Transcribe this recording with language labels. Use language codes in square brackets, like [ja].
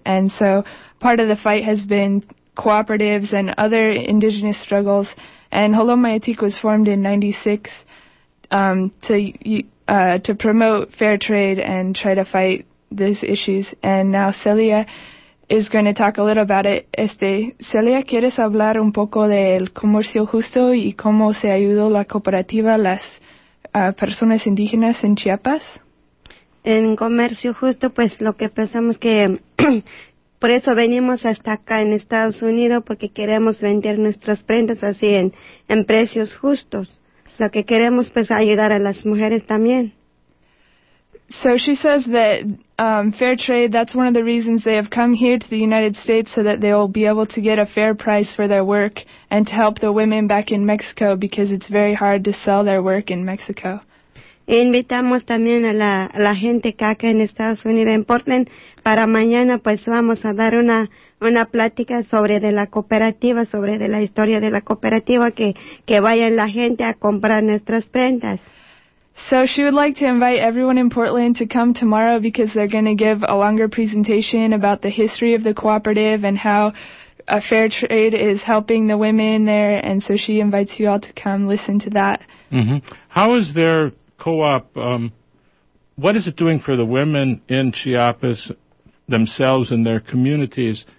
[en] And so part of the fight has been cooperatives and other indigenous struggles. And Hello Mayatik was formed in 96 to promote fair trade and try to fight these issues. And now Celia is going to talk a little about it. [es] Celia, ¿quieres hablar un poco del comercio justo y cómo se ayudó la cooperativa a las personas indígenas en Chiapas? En comercio justo, pues lo que pensamos que por eso venimos hasta acá en Estados Unidos, porque queremos vender nuestras prendas así en precios justos. Lo que queremos, pues, ayudar a las mujeres también. [en] So she says that fair trade, that's one of the reasons they have come here to the United States, so that they'll be able to get a fair price for their work and to help the women back in Mexico, because it's very hard to sell their work in Mexico. [es] Invitamos también a la gente que acá en Estados Unidos, en Portland, para mañana, pues vamos a dar una plática sobre de la cooperativa, sobre de la historia de la cooperativa, que vayan la gente a comprar nuestras prendas. [en] So she would like to invite everyone in Portland to come tomorrow, because they're going to give a longer presentation about the history of the cooperative and how a fair trade is helping the women there. And so she invites you all to come listen to that. Mm-hmm. How is their co-op, what is it doing for the women in Chiapas themselves and their communities?